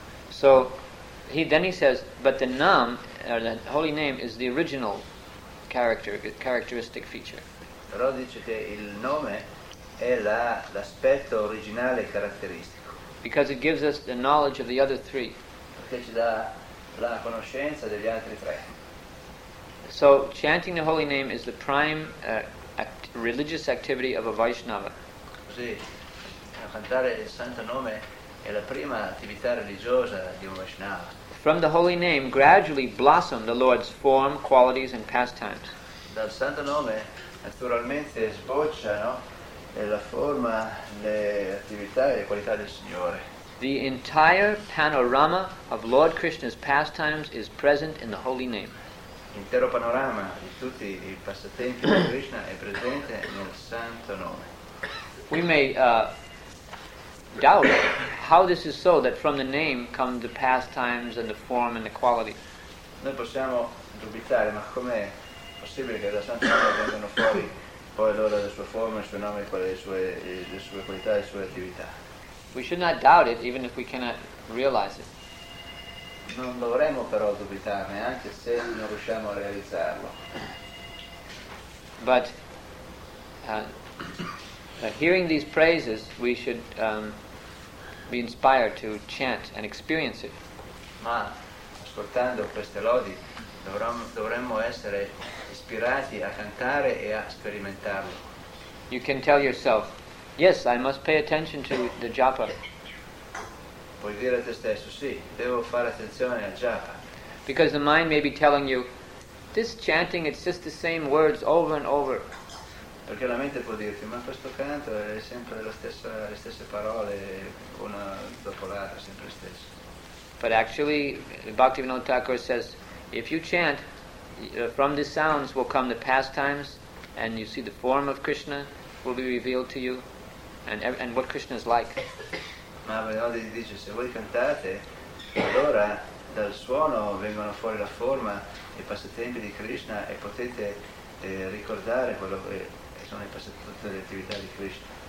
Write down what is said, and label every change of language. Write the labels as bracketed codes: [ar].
[en] So he says, but the nam, or the holy name, is the original characteristic feature. [it] Però dice che il nome è l'aspetto originale caratteristico. [en] Because it gives us the knowledge of the other three. [it] Perché ci dà la conoscenza degli altri tre. [en] So chanting the holy name is the prime religious activity of a Vaishnava. [it] Così, cantare il santo nome è la prima attività religiosa di un Vaishnava. [en] From the holy name gradually blossom the Lord's form, qualities and pastimes. [it] Dal santo nome naturalmente sboccia, no? E la forma, le attività e le qualità del Signore. [en] The entire panorama of Lord Krishna's pastimes is present in the holy name. [it] L'intero panorama di tutti i passatempi di Krishna è presente nel santo nome. [en] We may doubt how this is so, that from the name come the pastimes and the form and the quality. [it] Noi possiamo dubitare, ma com'è possibile che dal santo nome vengano fuori poi allora le sue forme, il suo nome, le sue qualità, le sue attività? [en] We should not doubt it, even if we cannot realize it. [it] Non dovremmo però dubitarne, anche se non riusciamo a realizzarlo. [en] But hearing these praises, we should be inspired to chant and experience it. [it] Ma ascoltando queste lodi, dovremmo essere ispirati a cantare e a sperimentarlo. [en] You can tell yourself, yes, I must pay attention to the japa. [it] Puoi dire a te stesso, sì, devo fare attenzione al japa. [en] Because the mind may be telling you, this chanting, it's just the same words over and over. [it] Perché la mente può dirti, ma questo canto è sempre le stesse parole, una dopo l'altra, sempre le stesse. [en] But actually, Bhaktivinoda Thakur says, if you chant, from the sounds will come the pastimes, and you see the form of Krishna will be revealed to you. And what Krishna is like. [it] Ma Vinodi dice, se voi cantate, allora dal suono vengono fuori la forma e i passatempi di Krishna e potete ricordare quello che sono i passatempi delle attività di Krishna.